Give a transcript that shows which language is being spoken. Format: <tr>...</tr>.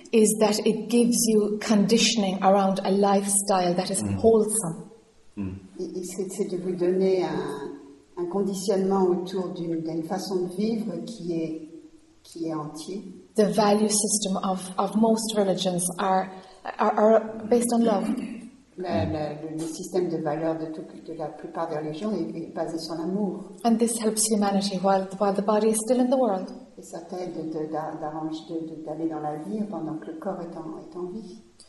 <en>is that it gives you conditioning around a lifestyle that is wholesome.</en> <fr>C'est de vous donner un conditionnement autour d'une façon de vivre qui est entier.</fr> <en>The value system of most religions are based on love.</en> <fr>Le système de valeurs de la plupart des religions est basé sur l'amour.</fr> <en>And this helps humanity while the body is still in the world.</en> <fr>Et ça t'aide d'aller dans la vie pendant que le corps est en vie.</fr>